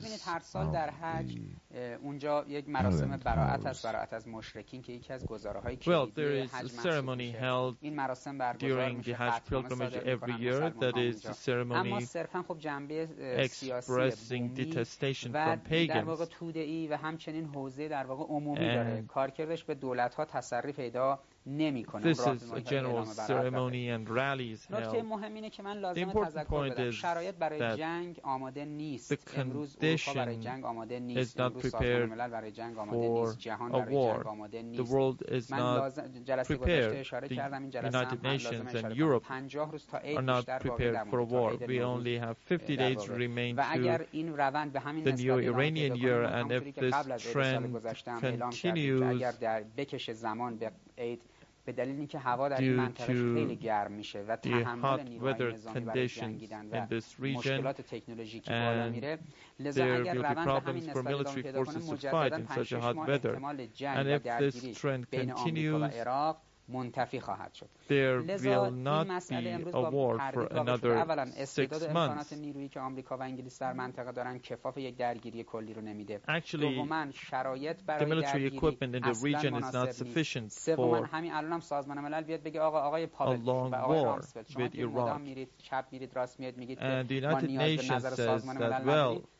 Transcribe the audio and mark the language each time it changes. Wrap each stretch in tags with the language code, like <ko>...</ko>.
<fa>ببینید هر سال در حج اونجا یک مراسم براءت است، براءت از مشرکین که یکی از گزاره های کلیدی حج محسوب میشه. این مراسم برگزار میشه حج پیلگریمیج هر سال در مسلمان ها اونجا. اما صرفا خب جنبه سیاسی</fa> <en>detestation from pagans</en> <fa>در واقع توده ای و همچنین حوزه در واقع عمومی داره، کارکردش به دولت ها تسری پیدا نمی کنه.</fa> <en>This is a general ceremony and rallies held.</en> <fa>نکته مهم اینه که من لازم تذکر بدم شرایط برای جنگ آماده نیست. امروز اروپا برای جنگ آماده نیست. امروز سازمان ملل برای جنگ آماده نیست. جهان برای جنگ آماده نیست.</fa> <en>The world is not prepared. The United Nations and Europe are not prepared for a war. We only have 50 days remain to the new Iranian year, and if this trend continues,</en> <fa>اگر در بکش زمان به عید به دلیل اینکه هوا در این منطقه خیلی گرم میشه و تحمل نیروهای نظامی برای جنگیدن و مشکلات تکنولوژیکی بالا میره، لذا اگر روند همین استفاده ادامه پیدا کنه مجددا 5-6 ماه احتمال جنگ و درگیری بین آمریکا و عراق منتفی خواهد شد.</fa> <en>There will not be a war for another 6 months.</en> <fa>استعداد نیرویی که آمریکا و انگلیس در منطقه دارن کفاف یک درگیری کلی رو نمیده.</fa> <en>Actually,</en> <fa>شرایط برای درگیری</fa> <en>military equipment in the region is not sufficient for.</en> <fa>همین الان هم سازمان ملل بیاد بگه آقای پاول و آقای رامسفلد شما که مدام میرید چپ میرید راست میرید میگید که ما نیاز به نظر سازمان ملل نداریم.</fa>